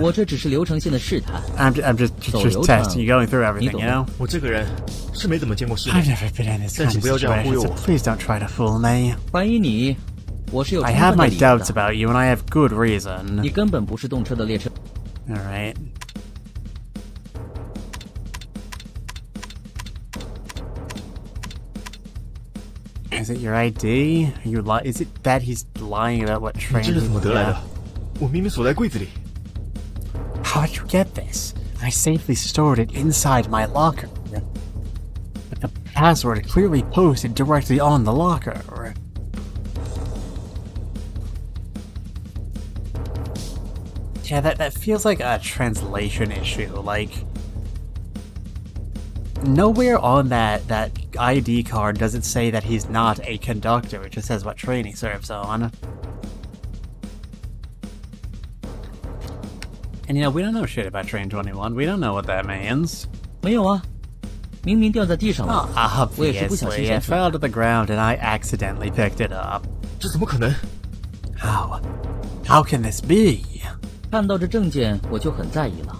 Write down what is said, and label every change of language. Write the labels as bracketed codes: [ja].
[zh] 我这只是流程性的试探。 [en] I'm just testing. You're going through everything, you know? [zh] 我这个人是没怎么见过世面。 [en] I've never been in this kind of situation. So please don't try to fool me. [zh] 怀疑你，我是有充分的理由的。 [en] I have my doubts about you, and I have good reason. [zh] 你根本不是动车的列车。 [en] All right. Is it your ID? Is it that he's lying about what train he's on? [zh] 你这是怎么得来的？我明明锁在柜子里。 [en] How did you get this? I safely stored it inside my locker. But the password clearly posted directly on the locker. Yeah, that feels like a translation issue. Like, nowhere on that... ID card doesn't say that he's not a conductor, it just says what train he serves on. And you know, we don't know shit about train 21, we don't know what that means. [zh] 没有啊，明明掉在地上了。 [en] Oh, obviously, it fell to the ground and I accidentally picked it up. [zh] 这怎么可能？ [en] How can this be? [zh] 看到这证件我就很在意了。